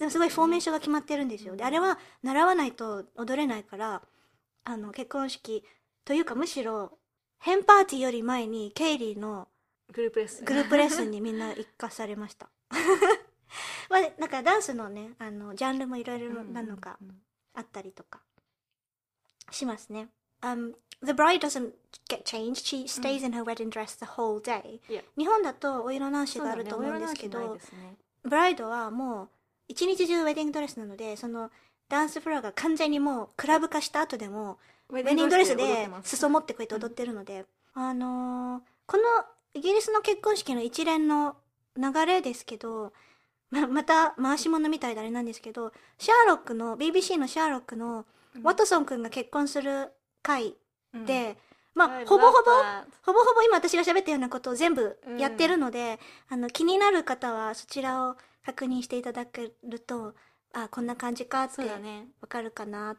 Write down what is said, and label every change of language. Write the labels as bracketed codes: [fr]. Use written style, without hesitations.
[ja] でもすごいフォーメーションが決まってるんですよ、うん、であれは習わないと踊れないから、あの結婚式というかむしろヘンパーティーより前にケイリーのグループレッスン、グループレッスンにみんな一括されましたまあ、なんかダンスのね、あのジャンルもいろいろなのがあったりとかしますね。 [en] The bride doesn't get changed. She stays in her wedding dress the whole day. Yeah. [ja] 日本だとお色直しがあると思うんですけど、ブライドはもう一日中ウェディングドレスなので、そのダンスフロアが完全にもうクラブ化した後でもウェディングドレスで裾持ってこうやって踊ってるので、このイギリスの結婚式の一連の流れですけど、また回し物みたいであれなんですけど、シャーロックの BBC のシャーロックのワトソン君が結婚する回で、うん、まあほぼほぼ今私が喋ったようなことを全部やってるので、うん、あの気になる方はそちらを確認していただけると、あこんな感じかってわかるかな、